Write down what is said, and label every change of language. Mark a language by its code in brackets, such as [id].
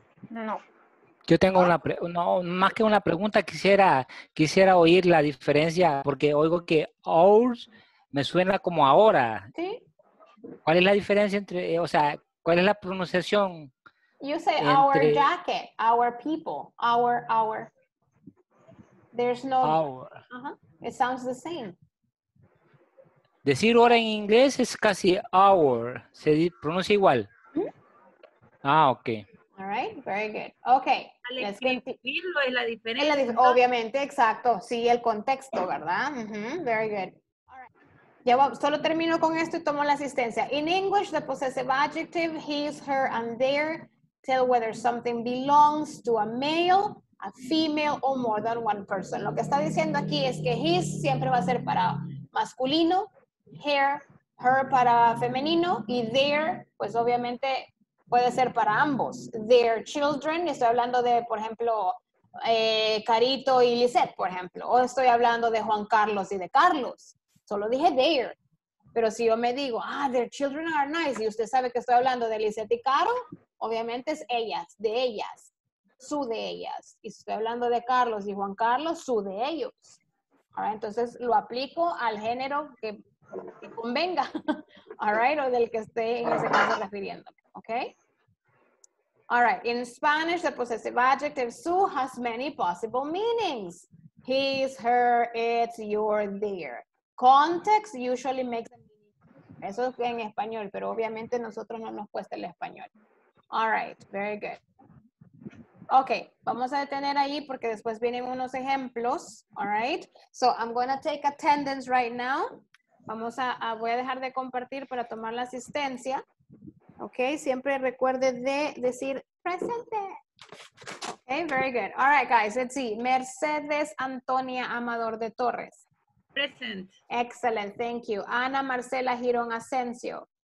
[es] No. Yo tengo una, más que una pregunta, quisiera oír la diferencia, porque oigo que ours me suena como ahora. Sí. ¿Cuál es la diferencia entre, o sea, cuál es la pronunciación? [en] You say entre, our jacket, our people, our. There's no, it sounds the same. [es] Decir hora en inglés es casi our, se pronuncia igual. Mm-hmm. Ah, okay. [en] All right, very good. Okay. [es] Al escribirlo es la diferencia. Obviamente, exacto. Sí, el contexto, ¿verdad? Uh-huh. [en] Very good. All right. [es] Ya solo termino con esto y tomo la asistencia. [en] In English, the possessive adjective, his, her, and their, tell whether something belongs to a male, a female, or more than one person. [es] Lo que está diciendo aquí es que his siempre va a ser para masculino, her para femenino, y their, pues obviamente, puede ser para ambos. [en] Their children, [es] estoy hablando de, por ejemplo, Carito y Lisette, por ejemplo. O estoy hablando de Juan Carlos y de Carlos. Solo dije their. Pero si yo me digo, [en] their children are nice, [es] y usted sabe que estoy hablando de Lisette y Caro, obviamente es ellas, de ellas, su de ellas. Y si estoy hablando de Carlos y Juan Carlos, su de ellos. [en] All right, [es] entonces lo aplico al género que convenga. [en] All right, [es] o del que esté en ese caso refiriéndome. [en] Okay. All right. In Spanish, the possessive adjective su has many possible meanings. His, her, it's, your, their. Context usually makes a meaning. [es] Eso es en español, pero obviamente nosotros no nos cuesta el español. [en] All right. Very good. Okay. [es] Vamos a detener ahí porque después vienen unos ejemplos. [en] All right. So I'm going to take attendance right now. [es] Voy a dejar de compartir para tomar la asistencia. [en] Ok, [es] siempre recuerde de decir presente. [en] Ok, very good. All right, guys, let's see. [es] Mercedes Antonia Amador de Torres. [en] Present. Excellent, thank you. Ana Marcela Girón Asensio.